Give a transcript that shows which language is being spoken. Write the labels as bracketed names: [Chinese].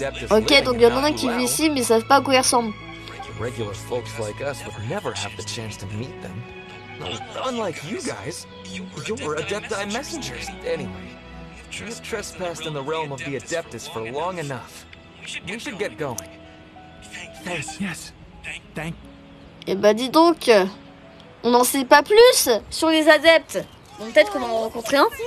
[French] Ok, donc il y en a un qui vit ici, mais ils savent pas à quoi ils ressemblent. [English] Regular folks like us would never have the chance to meet them. Unlike you guys, you're Adepti messengers. Anyway, you've trespassed in the realm of the Adeptus for long enough. We should get going. Thanks. Yes. Thank. [French] Eh ben dis donc, on n'en sait pas plus sur les adeptes. Bon, peut-être qu'on va en rencontrer un.